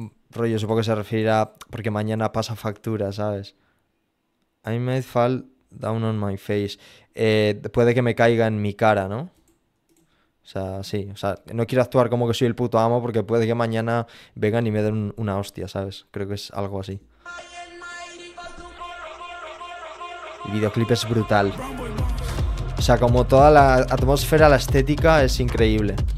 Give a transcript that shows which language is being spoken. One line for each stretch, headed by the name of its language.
Spanish: Rollo, supongo que se refiere a. Porque mañana pasa factura, ¿sabes?
English: I might fall down on my face.
Spanish: Puede que me caiga en mi cara, ¿no? O sea, sí, o sea, no quiero actuar como que soy el puto amo porque puede que mañana vengan y me den una hostia, ¿sabes? Creo que es algo así. El videoclip es brutal. O sea, como toda la atmósfera, la estética es increíble.